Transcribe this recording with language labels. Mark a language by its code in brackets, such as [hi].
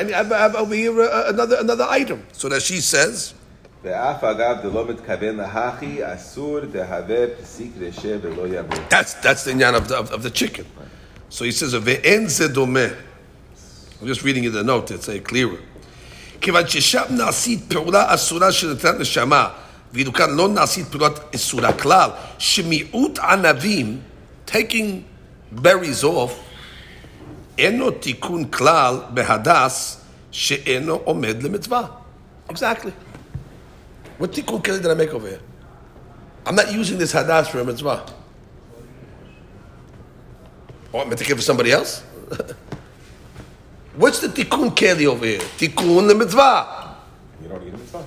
[en] And I have over here another item. So that she says, that's the inyan of the chicken. So he says, I'm just reading you the note, it's clearer. [he] כיוון ששם נעשית פעולה אסורה של נתנת נשמה, ואילו כאן לא נעשית פעולת אסורה כלל, שמיעוט ענבים, [en] taking berries off, [he] אינו תיקון כלל בהדס, שאינו עומד למצווה. [en] Exactly. What תיקון כלל did I make over here? I'm not using this הדס for a מצווה. Oh, I'm going to give it for somebody else? What's the tikkun keli over here? Tikkun the mitzvah. You don't need the mitzvah.